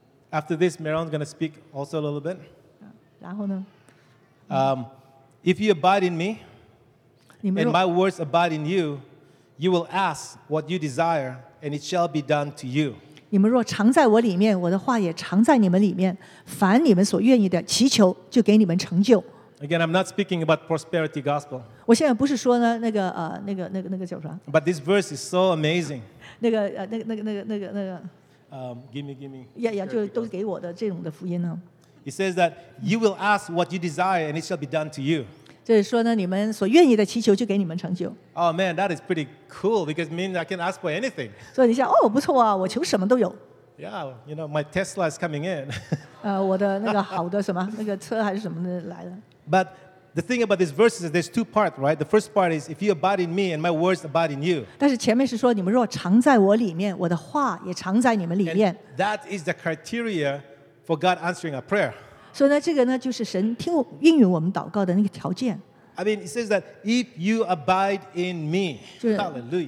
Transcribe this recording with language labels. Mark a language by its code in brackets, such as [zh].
[en] After this, Meron's going to speak also a little bit. [zh] 然后呢？ [en] If you abide in me, and my words abide in you, you will ask what you desire, and it shall be done to you. [zh] 你们若常在我里面，我的话也常在你们里面，凡你们所愿意的祈求，就给你们成就。 [en] Again, I'm not speaking about prosperity gospel. [zh] 我现在不是说呢，那个叫啥？ [en] But this verse is so amazing. [zh] 那个。 [en] Give me. [zh] Yeah, yeah, 就都给我的这种的福音呢。 [en] It says that you will ask what you desire, and it shall be done to you. [zh] 就是说呢，你们所愿意的祈求就给你们成就。 [en] Oh man, that is pretty cool because it means I can ask for anything. [zh] 所以你想，哦，不错啊，我求什么都有。 [en] Yeah, you know, my Tesla is coming in. [zh] 我的那个好的什么那个车还是什么的来了。 [en] But The thing about this verse is that there's two parts, right? The first part is if you abide in me and my words abide in you. [zh] 但是前面是说你们若常在我里面，我的话也常在你们里面。 [en] And that is the criteria for God answering our prayer. [zh] 所以呢，这个呢就是神听应允我们祷告的那个条件。 [en] I mean, it says that if you abide in me, hallelujah.